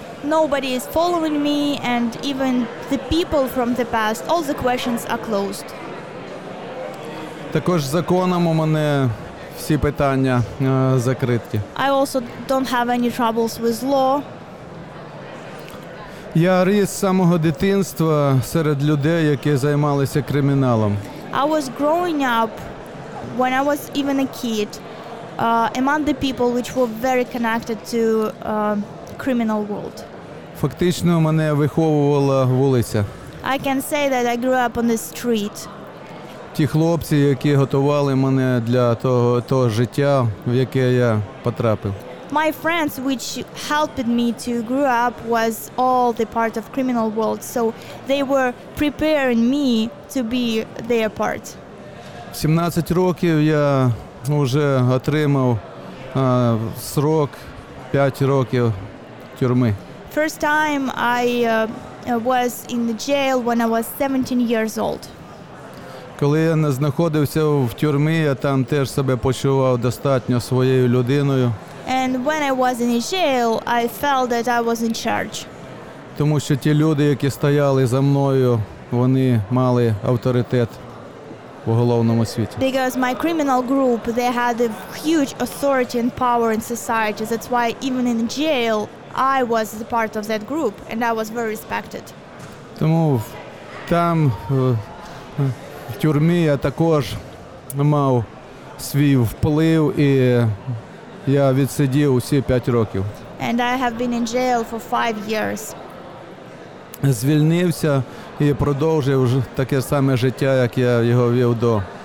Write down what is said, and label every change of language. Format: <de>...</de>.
<en>Nobody is following me and even the people from the past, all the questions are closed.</en> <uk>Також законом у мене всі питання закриті.</uk> <en>I also don't have any troubles with law.</en> <uk>Я ріс з самого дитинства серед людей, які займалися криміналом.</uk> <en>I was growing up when I was even a kid among the people which were very connected to criminal world.</en> <uk>Фактично мене виховувала вулиця.</uk> <en>I can say that I grew up on the street.</en> <uk>Ті хлопці, які готували мене для того життя, в яке я потрапив.</uk> <en>My friends, which helped me to grow up, was all the part of criminal world. So they were preparing me to be their part.</en> <uk>17 років я вже отримав срок 5 років тюрми.</uk> <en>First time I was in the jail when I was 17 years old.</en> <uk>Коли я знаходився в тюрмі, я там теж себе почував достатньо своєю людиною.</uk> <en>And when I was in jail, I felt that I was in charge.</en> <uk>Тому що ті люди, які стояли за мною, вони мали авторитет в уголовному світі.</uk> <en>Because my criminal group, they had a huge authority and power in society. That's why even in jail, I was a part of that group and I was very respected.</en> <uk>Тому там в тюрмі я також мав свій вплив і я відсидів усі 5 років.</uk> <en>And I have been in jail for 5 years.</en> <uk>Звільнився і продовжив таке саме життя, як я його вів до.</uk>